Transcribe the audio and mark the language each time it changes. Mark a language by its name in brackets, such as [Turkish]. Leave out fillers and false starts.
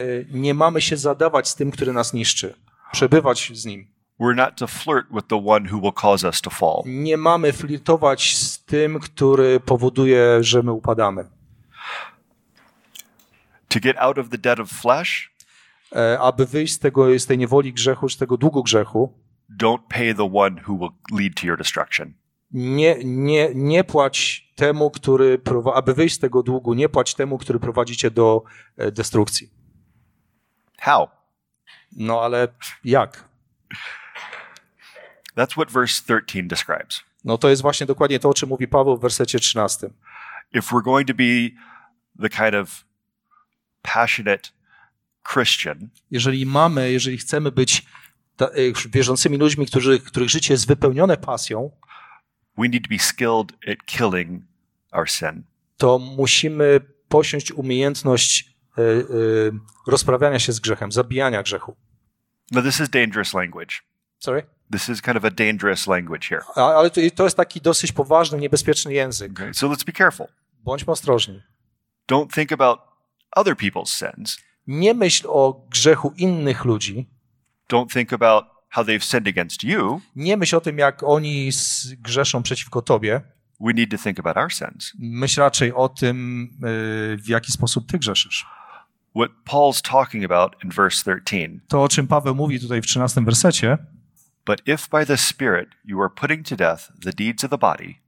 [Polish] Nie mamy się zadawać z tym, który nas niszczy. Przebywać z nim. [English] We're not to flirt with the one who will cause us to fall. [Polish] Nie mamy flirtować z tym, który powoduje, że my upadamy. [English] To get out of the debt of flesh, [Polish] aby wyjść z tej niewoli grzechu, z tego długu grzechu, [English] don't pay the one who will lead to your destruction. [Polish] Nie płać temu, który aby wyjść z tego długu, nie płać temu, który prowadzi cię do destrukcji. [English] How? [Polish] No ale jak? [English] That's what verse 13 describes. [Polish] No to jest właśnie dokładnie to, o czym mówi Paweł w wersecie 13. [English] If we're going to be the kind of passionate Christian, [Polish] jeżeli chcemy być wierzącymi ludźmi, których życie jest wypełnione pasją, [English] we need to be skilled at killing our sin. [Polish] To musimy posiąść umiejętność rozprawiania się z grzechem, zabijania grzechu. [English] But this is dangerous language. Sorry? This is kind of a dangerous language here. [Polish] Ale to jest taki dosyć poważny, niebezpieczny język. [English] Okay, so let's be careful. [Polish] Bądźmy ostrożni. [English] Don't think about other people's sins. [Polish] Nie myśl o grzechu innych ludzi. [English] Don't think about how they've sinned against you. [Polish] Nie myśl o tym, jak oni grzeszą przeciwko tobie. [English] We need to think about our sins. [Polish] Myśl raczej o tym, w jaki sposób ty grzeszysz. [English] What Paul's talking about in verse 13. [Polish] To, o czym Paweł mówi tutaj w 13 wersecie. [English] But if by the Spirit you are putting to death the deeds of the body.